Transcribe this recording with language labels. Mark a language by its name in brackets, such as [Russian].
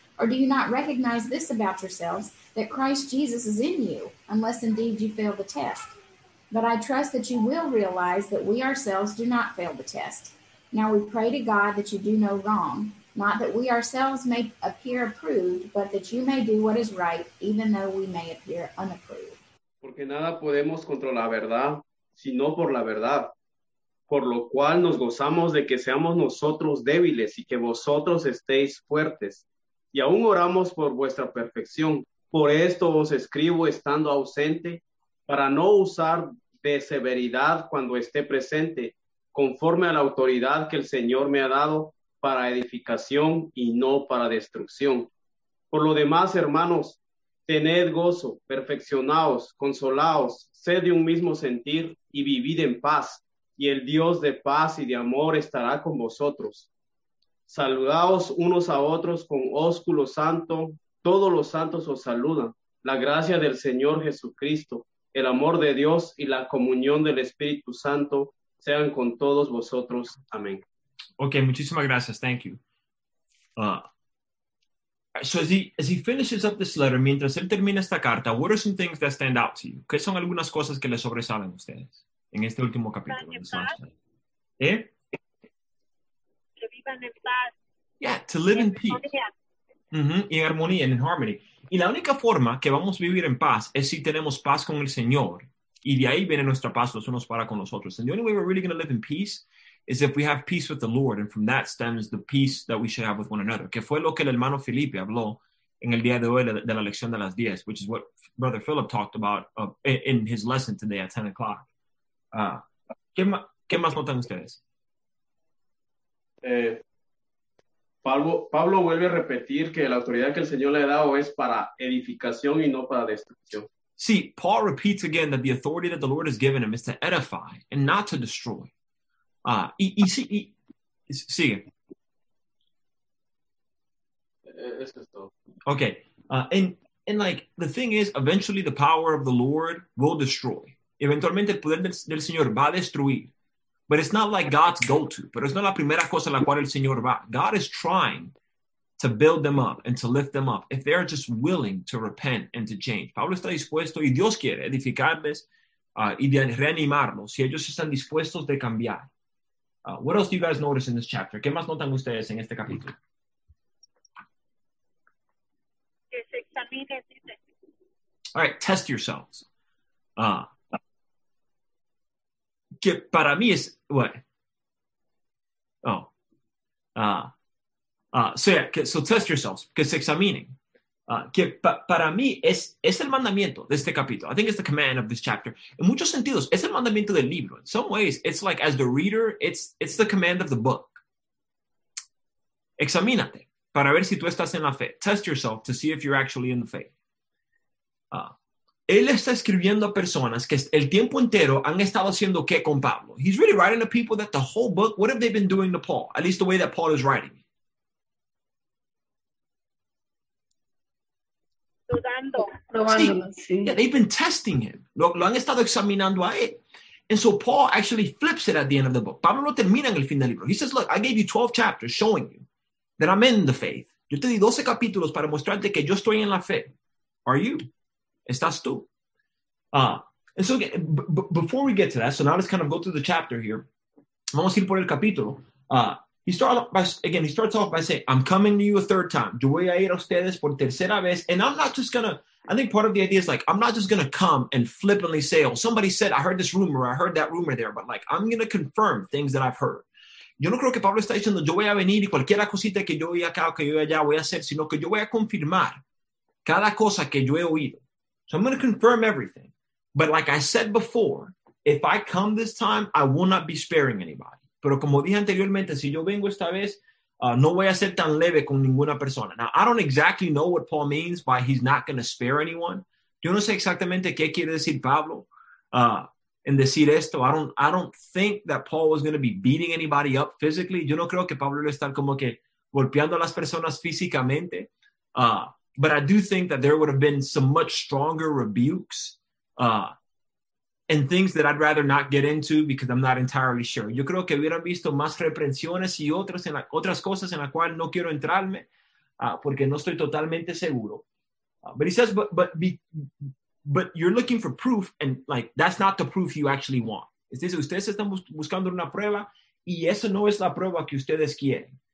[English] Or do you not recognize this about yourselves, that Christ Jesus is in you, unless indeed you fail the test? But I trust that you will realize that we ourselves do not fail the test. Now we pray to God that you do no wrong, not that we ourselves may appear approved, but that you may do what is right, even though we may appear unapproved. [Spanish] Porque nada podemos contra la verdad, sino por la verdad. Por lo cual nos gozamos de que seamos nosotros débiles y que vosotros estéis fuertes. Y aún oramos por vuestra perfección. Por esto os escribo estando ausente, para no usar de severidad cuando esté presente, conforme a la autoridad que el Señor me ha dado para edificación y no para destrucción. Por lo demás, hermanos, tened gozo, perfeccionaos, consolaos, sed de un mismo sentir y vivid en paz. Y el Dios de paz y de amor estará con vosotros. Saludaos unos a otros con ósculo santo. Todos los santos os saludan. La gracia del Señor Jesucristo, el amor de Dios y la comunión del Espíritu Santo sean con todos vosotros. Amén. [English] Okay, [Spanish] muchísimas gracias. [English] Thank you. So as he finishes up this letter, [Spanish] mientras él termina esta carta, [English] what are some things that stand out to you? [Spanish] ¿Qué son algunas cosas que le sobresalen a ustedes? En este último capítulo. Que vivan en paz. [English] Yeah, to live in peace. Mm-hmm. [Spanish] Y en armonía, [English] in harmony. [Spanish] Y la única forma que vamos a vivir en paz es si tenemos paz con el Señor. Y de ahí viene nuestra paz los unos para con los otros. [English] And the only way we're really going to live in peace is if we have peace with the Lord. And from that stems the peace that we should have with one another. [Spanish] Que fue lo que el hermano Felipe habló en el día de hoy de la lección de las 10, [English] which is what Brother Philip talked about in his lesson today at 10 o'clock. [Spanish] ¿Qué más notan ustedes? Pablo vuelve a repetir que la autoridad que el Señor le ha dado es para edificación y no para destrucción. [English] Sí, Paul repeats again that the authority that the Lord has given him is to edify and not to destroy. [Spanish] Sigue. Eso es todo. [English] Okay, and like the thing is, eventually the power of the Lord will destroy. [Spanish] Eventualmente el poder del Señor va a destruir. [English] But it's not like God's go-to. [Spanish] Pero es no la primera cosa a la cual el Señor va. [English] God is trying to build them up and to lift them up if they are just willing to repent and to change. [Spanish] Pablo está dispuesto y Dios quiere edificarles y de reanimarlos si ellos están dispuestos de cambiar. [English] What else do you guys notice in this chapter? [Spanish] ¿Qué más notan ustedes en este capítulo? Que se examine. [English] All right, test yourselves. [Spanish] Que para mí es, bueno, [English] test yourselves, [Spanish] que se examinen. Que para mí es el mandamiento de este capítulo. [English] I think it's the command of this chapter. [Spanish] En muchos sentidos, es el mandamiento del libro. [English] In some ways, it's like as the reader, it's the command of the book. [Spanish] Examínate para ver si tú estás en la fe. [English] Test yourself to see if you're actually in the faith. [Spanish] Él está escribiendo a personas que el tiempo entero han estado haciendo qué con Pablo. [English] He's really writing to people that the whole book, what have they been doing to Paul? At least the way that Paul is writing. [Spanish] Probando, sí. [English] Yeah, they've been testing him. [Spanish] Lo han estado examinando a él. [English] And so Paul actually flips it at the end of the book. [Spanish] Pablo no termina en el fin del libro. [English] He says, look, I gave you 12 chapters showing you that I'm in the faith. [Spanish] Yo te di 12 capítulos para mostrarte que yo estoy en la fe. [English] Are you? [Spanish] ¿Estás tú? [English] And so before we get to that, so now let's kind of go through the chapter here. [Spanish] Vamos a ir por el capítulo. [English] He starts off by saying, I'm coming to you a third time. [Spanish] Yo voy a ir a ustedes por tercera vez. [English] And I'm not just going to, I think part of the idea is like, I'm not just going to come and flippantly say, oh, somebody said, I heard this rumor, I heard that rumor there. But like, I'm going to confirm things that I've heard. [Spanish] Yo no creo que Pablo está diciendo, yo voy a venir y cualquier cosita que yo voy acá o que yo allá voy a hacer, sino que yo voy a confirmar cada cosa que yo he oído. [English] So I'm going to confirm everything. But like I said before, if I come this time, I will not be sparing anybody. [Spanish] Pero como dije anteriormente, si yo vengo esta vez, no voy a ser tan leve con ninguna persona. [English] Now, I don't exactly know what Paul means by he's not going to spare anyone. [Spanish] Yo no sé exactamente qué quiere decir Pablo en decir esto. [English] I don't think that Paul was going to be beating anybody up physically. [Spanish] Yo no creo que Pablo le está como que golpeando a las personas físicamente. [English] But I do think that there would have been some much stronger rebukes and things that I'd rather not get into because I'm not entirely sure. [Spanish] Yo creo que hubieran visto más reprensiones y otras cosas en la cual no quiero entrarme porque no estoy totalmente seguro. [English] But he says, but you're looking for proof and like that's not the proof you actually want. [Spanish] Es decir, ustedes están buscando una prueba y eso no es la prueba que ustedes quieren.